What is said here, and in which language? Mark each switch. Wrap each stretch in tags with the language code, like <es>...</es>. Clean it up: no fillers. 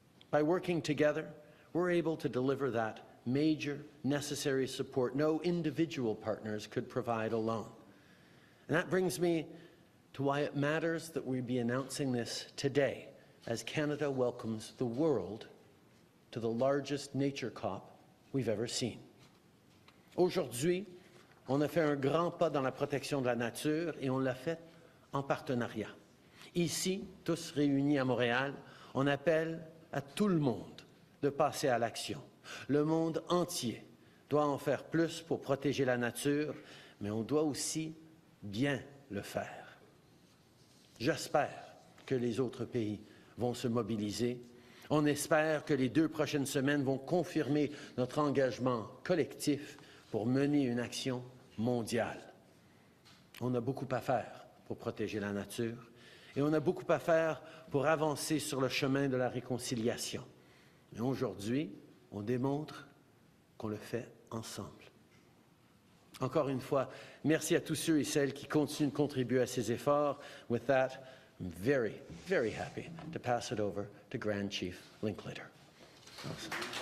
<en>By working together, we're able to deliver that major, necessary support no individual partners could provide alone. And that brings me to why it matters that we be announcing this today, as Canada welcomes the world to the largest nature COP we've ever seen.</en> <fr>Aujourd'hui, on a fait un grand pas dans la protection de la nature et on l'a fait en partenariat. Ici, tous réunis à Montréal, on appelle à tout le monde de passer à l'action. Le monde entier doit en faire plus pour protéger la nature, mais on doit aussi bien le faire. J'espère que les autres pays vont se mobiliser. On espère que les deux prochaines semaines vont confirmer notre engagement collectif pour mener une action mondiale. On a beaucoup à faire pour protéger la nature et on a beaucoup à faire pour avancer sur le chemin de la réconciliation. Mais aujourd'hui, on démontre qu'on le fait ensemble. Encore une fois, merci à tous ceux et celles qui continuent de contribuer à ces efforts.</fr> <en>With that, I'm very, very happy to pass it over to Grand Chief Linklater. Awesome.</en>